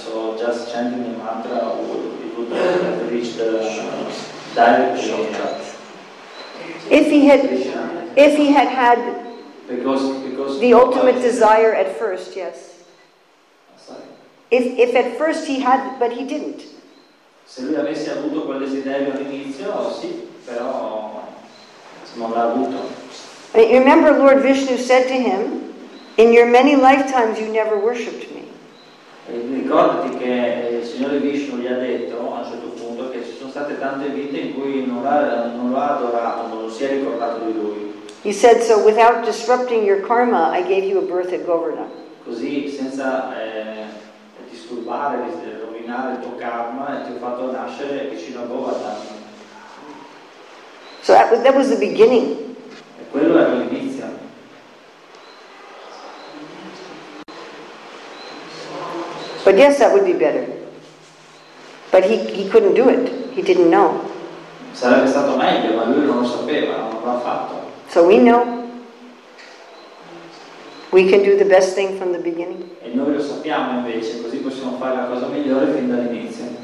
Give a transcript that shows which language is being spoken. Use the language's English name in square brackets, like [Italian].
[English] So just chanting the mantra, it would have reached the direct shortcut. If he had had because the ultimate desire at first, yes. Sorry. If at first he had, but he didn't. [Italian] Se lui avesse avuto quel desiderio all'inizio, sì, però non l'ha avuto. [English] Remember Lord Vishnu said to him, in your many lifetimes you never worshipped me. [Italian] Ricordati che il Signore Vishnu gli ha detto a un certo punto che ci sono state tante vite in cui non l'ha adorato, non si è ricordato di lui. [English] He said, so without disrupting your karma, I gave you a birth at Govardhan. [Italian] Così, senza disturbare, rovinare il tuo karma, e ti ho fatto nascere vicino a Govardhan. [English] So that was the beginning. [Italian] E quello era l'inizio. [English] But yes, that would be better. But he couldn't do it. He didn't know. [Italian] Sarebbe stato meglio, ma lui non lo sapeva, non l'ha fatto. [English] So we know. We can do the best thing from the beginning. [Italian] E noi lo sappiamo invece, così possiamo fare la cosa migliore fin dall'inizio.